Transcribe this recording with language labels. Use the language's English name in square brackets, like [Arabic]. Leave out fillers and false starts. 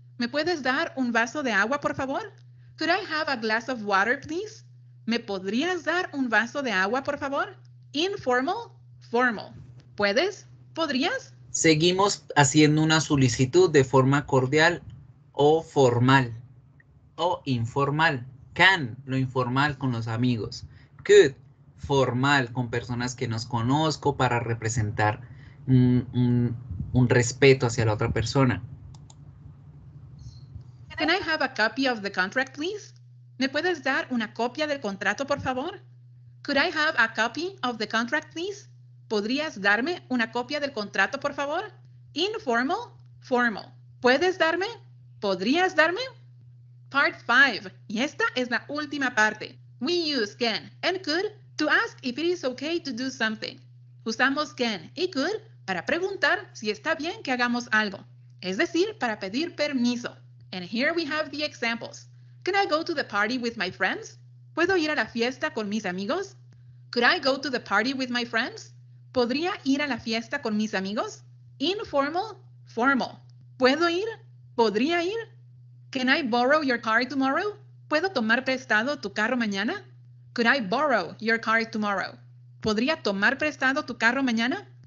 [Spanish] ¿Me puedes dar un vaso de agua, por favor? [English] Could I have a glass of water, please? [Spanish] ¿Me podrías dar un vaso de agua, por favor? Informal, formal. ¿Puedes? ¿Podrías? Seguimos haciendo una solicitud de forma cordial o formal. O informal. Can, lo informal con los amigos. Could, formal con personas que nos conozco para representar un respeto hacia la otra persona. [English] Can I have a copy of the contract, please? [Spanish] ¿Me puedes dar una copia del contrato, por favor? [English] Could I have a copy of the contract, please? [Spanish] ¿Podrías darme una copia del contrato, por favor? Informal, formal. ¿Puedes darme? ¿Podrías darme? [English] Part 5. [Spanish] Y esta es la última parte. [English] We use can and could to ask if it is okay to do something. [Spanish] Usamos can y could para preguntar si está bien que hagamos algo. Es decir, para pedir permiso. [English] And here we have the examples. Can I go to the party with my friends? [Spanish] ¿Puedo ir a la fiesta con mis amigos? [English] Could I go to the party with my friends? [Spanish] ¿Podría ir a la fiesta con mis amigos? Informal, formal. ¿Puedo ir? ¿Podría ir? [English] Can I borrow your car tomorrow? [Spanish] ¿Puedo tomar prestado tu carro mañana? [English] Could I borrow your car tomorrow? [Spanish] ¿Podría tomar prestado tu carro mañana?